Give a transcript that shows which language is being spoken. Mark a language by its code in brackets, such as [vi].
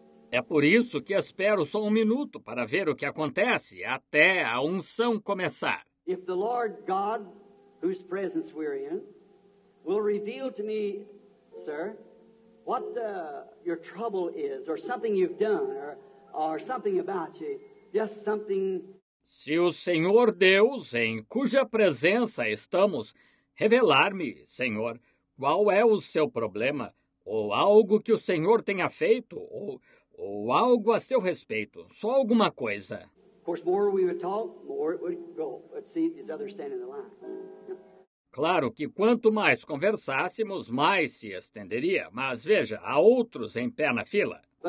[pt] É por isso que espero só um minuto para ver o que acontece até a unção começar. [en] If the Lord God, whose presence we're in, will reveal to me, sir, what your trouble is, or something you've done, or something about you, just something. [pt] Se o Senhor Deus, em cuja presença estamos, revelar-me, Senhor, qual é o seu problema, ou algo que o Senhor tenha feito, ou algo a seu respeito, só alguma coisa. [en] Of course, more we would talk, more it would go. Let's see these others stand in the line. [pt] Claro que quanto mais conversássemos, mais se estenderia. Mas veja, há outros em pé na fila.